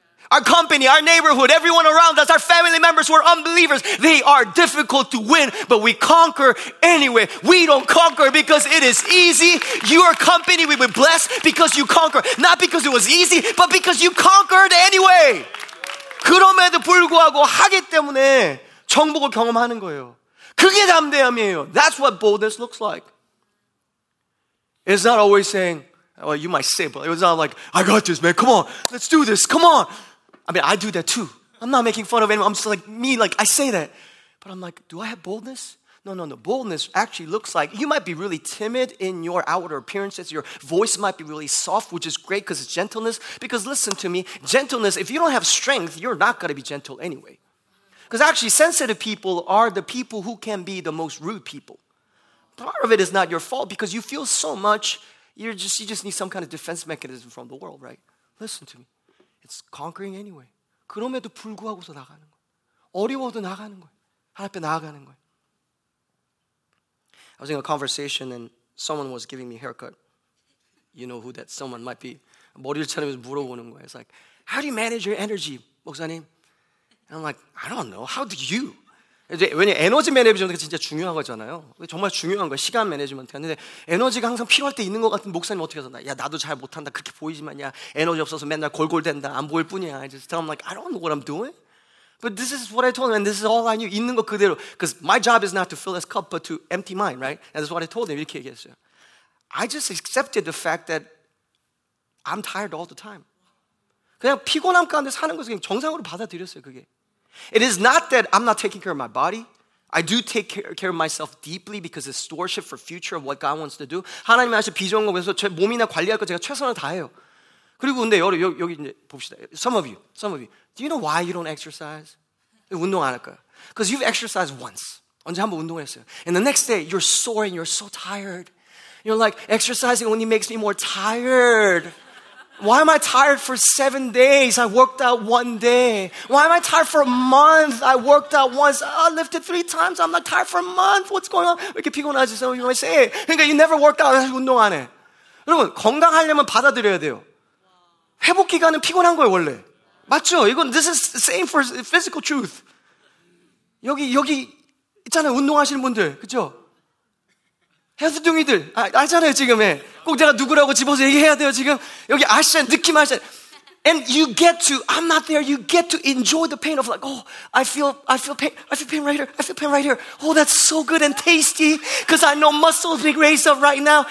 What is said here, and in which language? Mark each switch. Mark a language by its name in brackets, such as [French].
[English] Our company, our neighborhood, everyone around us, our family members who are unbelievers, they are difficult to win, but we conquer anyway. We don't conquer because it is easy. Your company, we were blessed because you conquer. Not because it was easy, but because you conquered anyway. [Korean] 그럼에도 불구하고 하기 때문에 정복을 경험하는 거예요. 그게 담대함이에요. [English] That's what boldness looks like. It's not always saying, well, you might say, but it was not like, I got this, man. Come on. Let's do this. Come on. I mean, I do that too. I'm not making fun of anyone. I'm just like me. Like, I say that. But I'm like, do I have boldness? No, no, no. Boldness actually looks like you might be really timid in your outer appearances. Your voice might be really soft, which is great because it's gentleness. Because listen to me, gentleness, if you don't have strength, you're not going to be gentle anyway. Because actually, sensitive people are the people who can be the most rude people. Part of it is not your fault because you feel so much, you just need some kind of defense mechanism from the world, right? Listen to me. It's conquering anyway. [Korean] 그럼에도 불구하고서 나가는 거예요. 어려워도 나가는 거예요. 하나 앞에 나아가는 거예요. [English] I was in a conversation and someone was giving me a haircut. You know who that someone might be. [Korean] 머리를 자르면서 물어보는 거예요. [English] It's like, how do you manage your energy, 목사님? And I'm like, I don't know. How do you? [Korean] 왜냐면 에너지 매니지먼트가 진짜 중요한 거잖아요. 정말 중요한 거예요. 시간 매니지먼트. 근데 에너지가 항상 필요할 때 있는 것 같은 목사님 어떻게 하셨나? 야, 나도 잘 못한다. 그렇게 보이지만 야, 에너지 없어서 맨날 골골댄다. 안 보일 뿐이야. [English] I just tell him like, I don't know what I'm doing. But this is what I told him, and this is all I knew. [Korean] 있는 거 그대로. [English] Because my job is not to fill this cup, but to empty mine, right? And that's what I told him. [Korean] 이렇게 얘기했어요. [English] I just accepted the fact that I'm tired all the time. [Korean] 그냥 피곤함 가운데 사는 것을 그냥 정상으로 받아들였어요, 그게. [English] It is not that I'm not taking care of my body. I do take care of myself deeply because it's stewardship for future of what God wants to do. [Korean] 하나님이 하신 비전 거에서 제 몸이나 관리할 거 제가 최선을 다해요. 그리고 근데 여기 이제 봅시다. [English] Some of you. Do you know why you don't exercise? [Korean] 운동 안 할 거야. [English] Because you've exercised once. [Korean] 언제 한번 운동을 했어요. [English] And the next day, you're sore and you're so tired. You're like, exercising only makes me more tired. Why am I tired for 7 days? I worked out one day. Why am I tired for a month? I worked out once. I lifted 3 times. I'm not tired for a month. What's going on? [Korean] 이렇게 피곤하지? [English] Some of you might say. 그러니까 you never worked out. [Korean] 운동 안 해. 여러분, 건강하려면 받아들여야 돼요. 회복 기간은 피곤한 거예요, 원래. 맞죠? [English] 이건 this is the same for physical truth. [Korean] 여기 있잖아요, 운동하시는 분들. 그죠? 헬스둥이들. 알잖아요, 지금에. 꼭 내가 누구라고 집어서 얘기해야 돼요, 지금. 여기 아시아, 느낌 아시아. [English] And you get to, I'm not there, you get to enjoy the pain of like, oh, I feel pain right here, I feel pain right here. Oh, that's so good and tasty, because I know muscles being raised up right now.